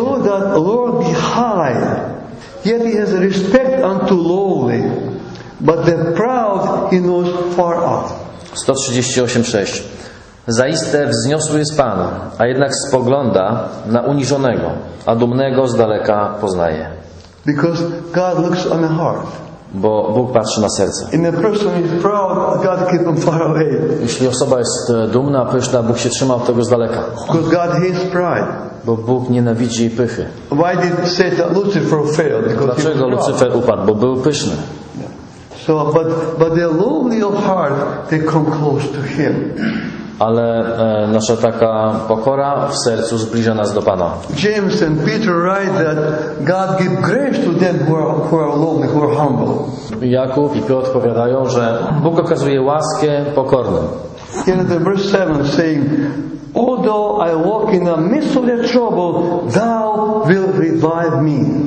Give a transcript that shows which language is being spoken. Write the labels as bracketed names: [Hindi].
[English] Though that Lord be high, yet he has respect unto lowly, but the proud he knows far off. 138:6. [Polish] Zaiste wzniosły jest Pan, a jednak spogląda na uniżonego, a dumnego z daleka poznaje. [English] Because God looks on the heart. [Polish] Bo Bóg patrzy na serce. [English] In a person is proud, God keeps him far away. [Polish] Jeśli osoba jest dumna, pyszna, Bóg się trzyma od tego z daleka. [English] Because God hates pride. [Polish] Bo Bóg nienawidzi jej pychy. [English] Why did Satan, Lucifer fail? [Polish] Because dlaczego Lucifer upadł? Bo był pyszny. [English] So, but the lowly of heart, they come close to him. [Polish] Ale nasza taka pokora w sercu zbliża nas do Pana. [English] James and Peter write that God give grace to them who are lowly, who are humble. [Polish] Jakub i Piotr powiadają, że Bóg okazuje łaskę pokornym. [English] In the verse 7 saying, although I walk in the midst of the trouble, thou will revive me.